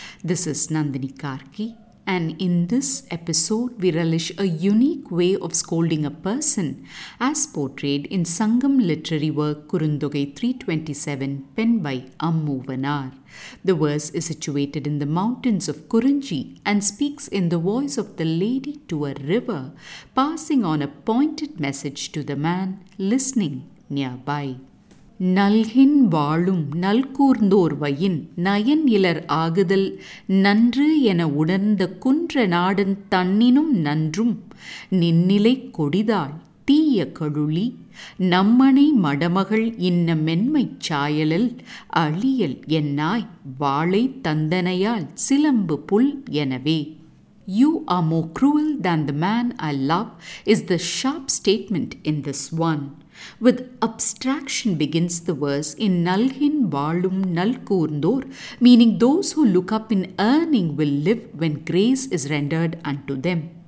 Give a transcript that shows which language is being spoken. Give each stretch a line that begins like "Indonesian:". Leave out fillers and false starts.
English: This is Nandini Karki, and in this episode we relish a unique way of scolding a person as portrayed in Sangam literary work Kurundogai 327 penned by Ammuvanar. The verse is situated in the mountains of Kurunji and speaks in the voice of the lady to a river, passing on a pointed message to the man listening nearby.
Tamil: நல்கின் வாழும் நல்கூர்ந்தோர் வயின் nine இலர் ஆகுதல் நன்று என உணர்ந்த குன்ற நாடன் தன்னினும் நன்றும் நின்னிலை கொடிதாள் தீய கழுளி நம்மனை மடமகள் இன்ன மென்மை சாயலில் அழியல் என்னாய் வாழை தந்தனையால் சிலம்பு புல் எனவே.
English: "You are more cruel than the man I love" is the sharp statement in this one. With abstraction begins the verse in Nalhin Valum Nalkurndor, meaning those who look up in earning will live when grace is rendered unto them.